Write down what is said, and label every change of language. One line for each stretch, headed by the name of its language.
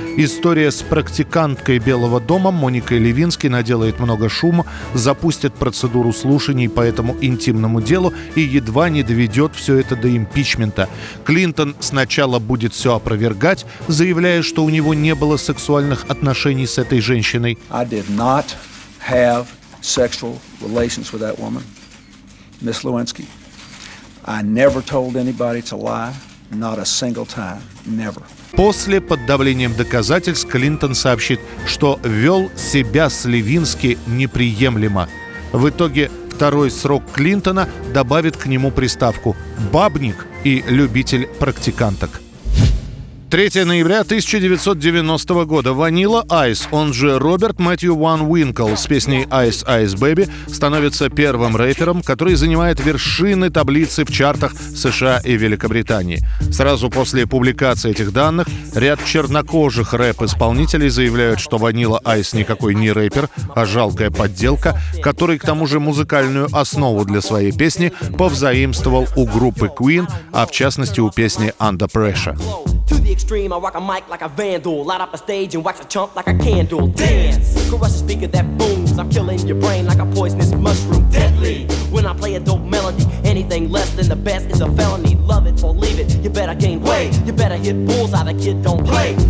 Russian: История с практиканткой Белого дома Моникой Левински наделает много шума, запустит процедуру слушаний по этому интимному делу и едва не доведет все это до импичмента. Клинтон сначала будет все опровергать, заявляя, что у него не было сексуальных отношений с этой женщиной.
English: I did not have sexual relations with that woman, Miss Lewinsky. I never told anybody to lie, not a single time, never.
Russian: После, под давлением доказательств, Клинтон сообщит, что вел себя с Левински неприемлемо. В итоге второй срок Клинтона добавит к нему приставку «бабник» и «любитель практиканток». 3 ноября 1990 года. Ванила Айс, он же Роберт Мэтью Ван Уинкл с песней «Ice Ice Baby» становится первым рэпером, который занимает вершины таблицы в чартах США и Великобритании. Сразу после публикации этих данных ряд чернокожих рэп-исполнителей заявляют, что Ванила Айс никакой не рэпер, а жалкая подделка, который к тому же музыкальную основу для своей песни повзаимствовал у группы Queen, а в частности у песни «Under Pressure».
English: To the extreme, I rock a mic like a vandal. Light up a stage and wax a chump like a candle. Dance, crush a speaker that booms. I'm killing your brain like a poisonous mushroom. Deadly, when I play a dope melody. Anything less than the best is a felony. Love it or leave it, you better gain weight. You better hit bullseye, the kid don't play.